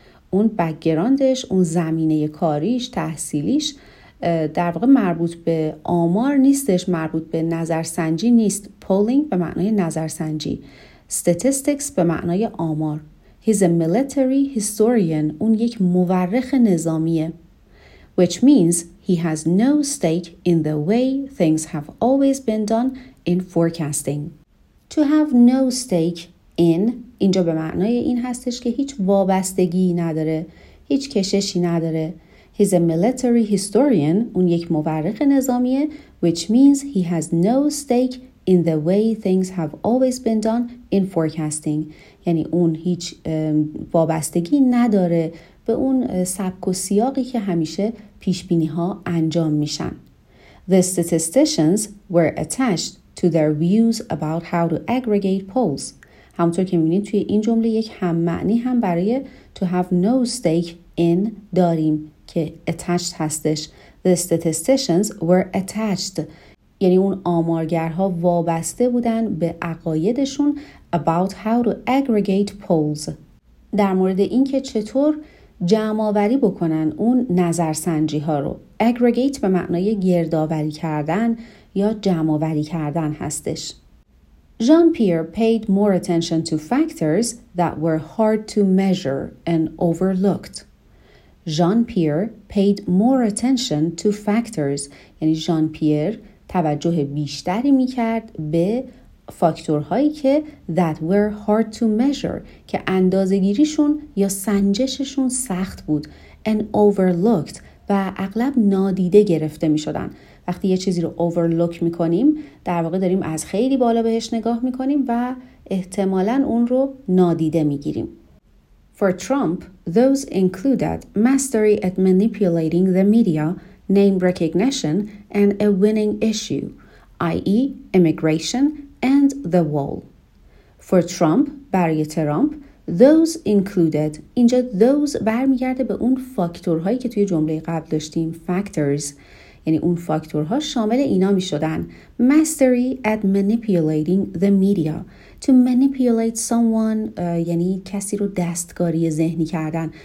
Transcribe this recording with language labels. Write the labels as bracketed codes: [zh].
[fa] اون بک‌گراندش، اون زمینه کاریش، تحصیلیش در واقع مربوط به آمار نیستش، مربوط به نظرسنجی نیست. Polling به معنای نظرسنجی، statistics به معنای آمار. [en] He's a military historian. [fa] اون یک مورخ نظامیه. [en] Which means he has no stake in the way things have always been done in forecasting. To have no stake in [fa] اینجا به معنای این هستش که هیچ وابستگی نداره، هیچ کششی نداره. [en] He's a military historian. [fa] اون یک مورخ نظامیه. [en] Which means he has no stake in the way things have always been done in forecasting. [fa] یعنی اون هیچ وابستگی نداره به اون سبک و سیاقی که همیشه پیشبینی ها انجام میشن. [en] The statisticians were attached to their views about how to aggregate polls. [fa] همونطور که میبینید توی این جمله یک هم معنی هم برای [en] to have no stake in [fa] داریم که attached هستش. [en] The statisticians were attached. [fa] یعنی اون آمارگرها وابسته بودن به عقایدشون [en] about how to aggregate polls. [fa] در مورد این که چطور جمع‌آوری بکنن اون نظرسنجی‌ها رو. aggregate به معنای گردآوری کردن یا جمع‌آوری کردن هستش. [en] Jean-Pierre paid more attention to factors that were hard to measure and overlooked. Jean-Pierre paid more attention to factors. [fa] یعنی Jean-Pierre توجه بیشتری می‌کرد به فاکتورهایی که [en] that were hard to measure [fa] که اندازه‌گیریشون یا سنجششون سخت بود [en] and overlooked [fa] و اغلب نادیده گرفته می‌شدن. وقتی یه چیزی رو overlook می‌کنیم در واقع داریم از خیلی بالا بهش نگاه می‌کنیم و احتمالاً اون رو نادیده می‌گیریم. [en] For Trump, those included mastery at manipulating the media, name recognition and a winning issue, i.e. immigration and the wall. For Trump, [fa] برای ترامپ, [en] those included, [fa] اینجا those برمیگرده به اون فاکتورهایی که توی جمله قبل داشتیم, factors, یعنی اون فاکتورها شامل اینا می شدن. [en] Mastery at manipulating the media. To manipulate someone [fa] یعنی کسی رو دستکاری ذهنی کردن.